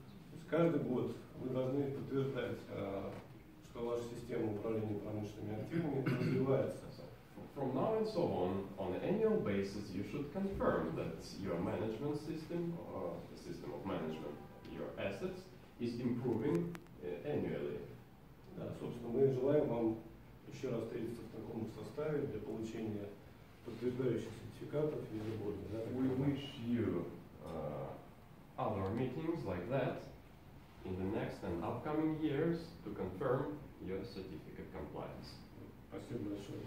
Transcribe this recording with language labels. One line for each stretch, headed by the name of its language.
Russian: То есть каждый год вы должны подтверждать, что ваша система управления промышленными активами развивается.
English: From now and so on an annual basis, you should confirm that your management system, or the system of management, your assets, is improving annually.
Russian: Да, собственно, мы желаем вам еще раз встретиться в таком составе для получения подтверждающих сертификатов ежегодно. Да?
English: We wish you other meetings like that in the next and upcoming years to confirm your certificate compliance.